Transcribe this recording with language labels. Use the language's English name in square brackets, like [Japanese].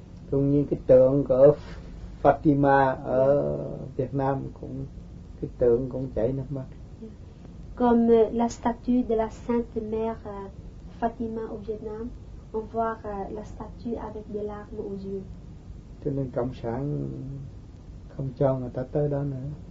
[Vietnamese] Cũng như cái tượng của Fatima ở Việt Nam cũng cái tượng cũng chảy nước mắt. [French] Comme la statue de la Sainte Mère Fatima au Vietnam, on voit la statue avec des larmes aux yeux. [Vietnamese] Cho nên cộng sản không cho người ta tới đó nữa.